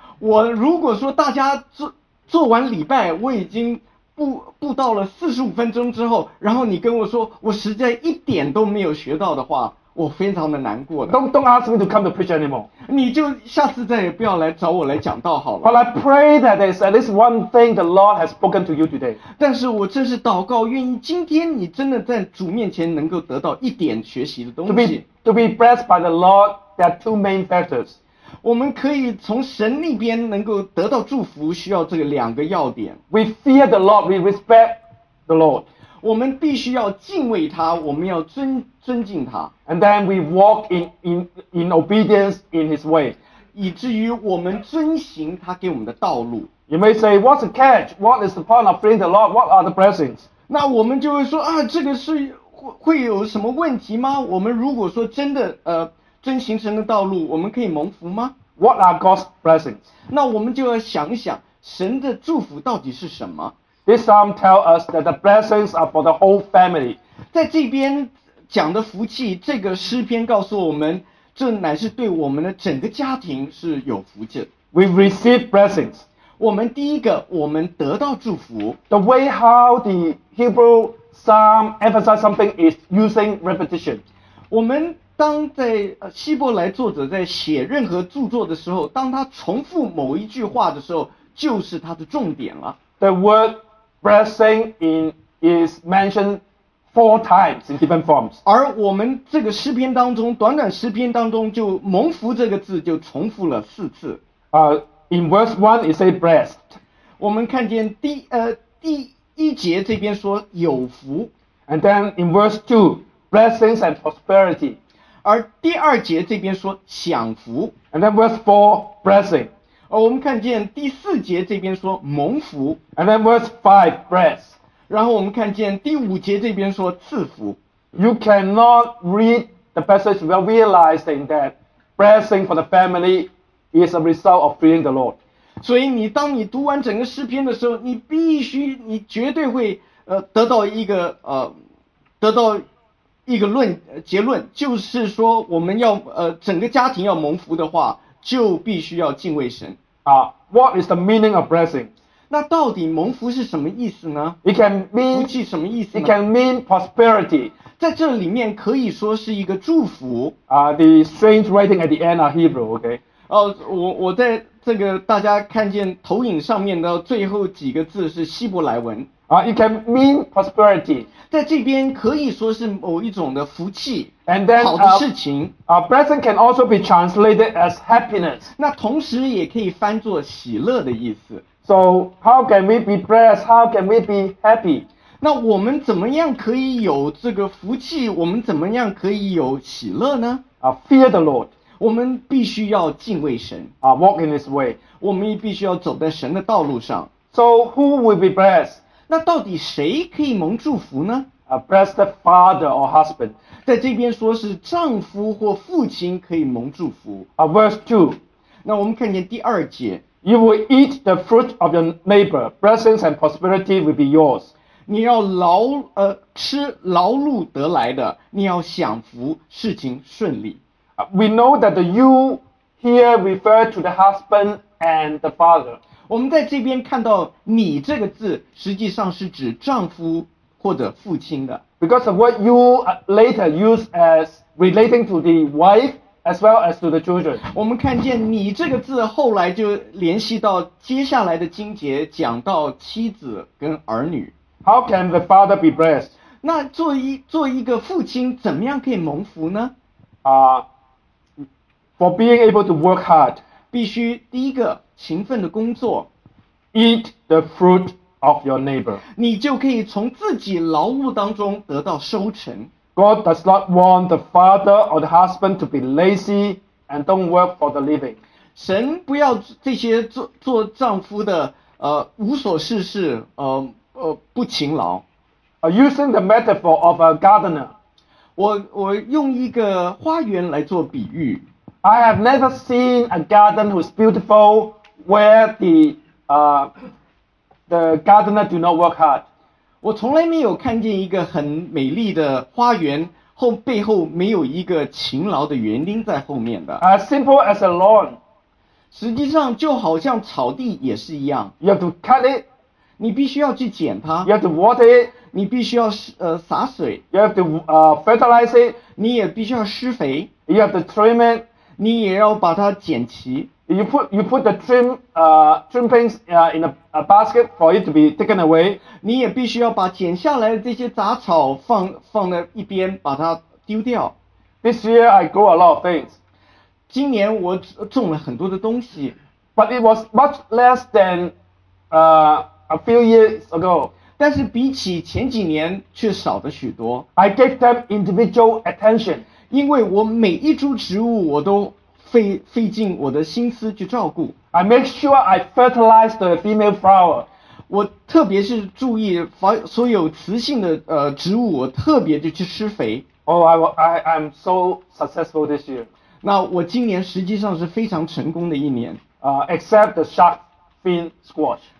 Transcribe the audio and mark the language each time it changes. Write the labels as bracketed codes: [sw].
[zh] 我如果说大家做完礼拜，我已经布道了45分钟之后，然后你跟我说我实在一点都没有学到的话，我非常的难过的。 [en] Don't ask me to come to preach anymore. [zh] 你就下次再也不要来找我来讲道好了。 [en] But I pray that there's at least one thing the Lord has spoken to you today. [zh] 但是我真是祷告，愿意今天你真的在主面前能够得到一点学习的东西。 [en] To be blessed by the Lord, there are two main factors. [zh] 我们可以从神那边能够得到祝福，需要这个两个要点。 [en] We fear the Lord, we respect the Lord. [zh] 我们必须要敬畏他，我们要尊敬他。 [en] And then we walk in obedience in His way. [zh] 以至于我们遵行他给我们的道路。 [en] You may say, what's the catch? What is the point of fearing the Lord? What are the blessings? [zh] 那我们就会说啊，这个是会有什么问题吗？我们如果说真的遵行神的道路，我们可以蒙福吗 [en] ？What are God's blessings? [zh] 那我们就要想一想，神的祝福到底是什么 [en] ？This psalm tells us that the blessings are for the whole family. [zh] 在这边讲的福气，这个诗篇告诉我们，这乃是对我们的整个家庭是有福气。 [en] We receive blessings. [zh] 我们第一个，我们得到祝福。 [en] The way how the Hebrew psalm emphasizes something is using repetition. [zh] 我们当在希伯来作者在写任何著作的时候，当他重复某一句话的时候，就是他的重点了。 [en] The word blessing is mentioned four times in different forms. [zh] 而我们这个诗篇当中，短短诗篇当中就蒙福这个字就重复了四次。 [en] In verse one, it says blessed. [zh] 我们看见第一节这边说有福。 [en] And then in verse two, blessings and prosperity. [zh] 而第二节这边说享福 [en] ，and then verse four blessing， [zh] 我们看见第四节这边说蒙福 [en] ，and then verse five bless， [zh] 然后我们看见第五节这边说赐福。 [en] You cannot read the passage without realizing that blessing for the family is a result of fearing the Lord。 [zh] 所以你当你读完整个诗篇的时候，你绝对会得到一个得到结论就是说，我们要整个家庭要蒙福的话，就必须要敬畏神。 [en] What is the meaning of blessing? [zh] 那到底蒙福是什么意思呢？ [en] It can mean [zh] 福气什么意思呢？ [en] It can mean prosperity. [zh] 在这里面可以说是一个祝福。 [en] The strange writing at the end are Hebrew, okay? [zh] 我在这个大家看见投影上面的最后几个字是希伯来文。 [en] It can mean prosperity. [zh] 在这边可以说是某一种的福气 [en] and then, [zh] 好的事情。 [en] Blessing can also be translated as happiness. [zh] 那同时也可以翻作喜乐的意思。 [en] So, how can we be blessed? How can we be happy? [zh] 那我们怎么样可以有这个福气？我们怎么样可以有喜乐呢？ [en] Fear the Lord. [zh] 我们必须要敬畏神。 [en] Walk in His way. [zh] 我们也必须要走在神的道路上。 [en] So, who will be blessed? [zh] 那到底谁可以蒙祝福呢？ [en] Blessed father or husband. [zh] 在这边说是丈夫或父亲可以蒙祝福。 [en] Verse 2. [zh] 那我们看见第二节。 [en] You will eat the fruit of your neighbor. Blessings and prosperity will be yours. [zh] 你要吃劳碌得来的，你要享福，事情顺利。 [en] We know that the you here refer to the husband and the father. [zh] 我们在这边看到你这个字实际上是指丈夫或者父亲的。 [en] Because of what you later use as relating to the wife as well as to the children. [zh] 我们看见你这个字后来就联系到接下来的经节讲到妻子跟儿女。 [en] How can the father be blessed? [zh] 那做一个父亲怎么样可以蒙福呢？ [en] For being able to work hard. [zh] 必须第一个。勤奋的工作 [en] ，eat the fruit of your neighbor， [zh] 你就可以从自己劳碌当中得到收成。 [en] God does not want the father or the husband to be lazy and don't work for the living。 [zh] 神不要这些做丈夫的无所事事，不勤劳。 [en] Using the metaphor of a gardener， [zh] 我用一个花园来做比喻。 [en] I have never seen a garden who's beautiful where the gardener do not work hard. [zh] 我从来没有看见一个很美丽的花园后背后没有一个勤劳的园丁在后面的。 [en] As simple as a lawn. [zh] 实际上就好像草地也是一样。 [en] You have to cut it. [zh] 你必须要去剪它。 [en] You have to water it. [zh] 你必须要洒水。 [en] You have to fertilize it. [zh] 你也必须要施肥。 [en] You have to trim it. [zh] 你也要把它剪齐。 [en] You put the trimmings in a basket for it to be taken away. [zh] 你也必须要把剪下来的这些杂草放在一边，把它丢掉。 [en] This year I grew a lot of things. [zh] 今年我种了很多的东西。 [en] But it was much less than a few years ago. [zh] 但是比起前几年却少了许多。 [en] I gave them individual attention. [zh] 因为我每一株植物我都费尽我的心思去照顾。 [en] I make sure I fertilize the female flower. [zh] 我特别是注意所有雌性的植物我特别的去施肥。 [en] Oh, I'm so successful this year. [zh] 那我今年实际上是非常成功的一年。 [en] Except the shark fin squash.